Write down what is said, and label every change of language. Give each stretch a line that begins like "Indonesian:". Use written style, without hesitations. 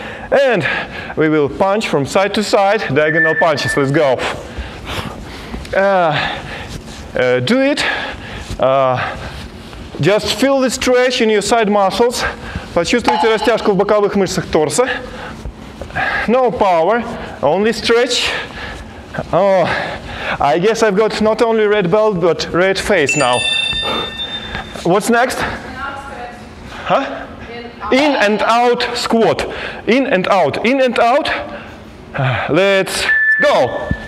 English: And we will punch from side to side. Diagonal punches. Let's go. Do it. Just feel the stretch in your side muscles.
Russian: Почувствуйте растяжку в боковых мышцах торса.
English: No power, only stretch. Oh, I guess I've got not only red belt, but red face now. What's next? Huh? In and out squat. In and out, in and out. Let's go.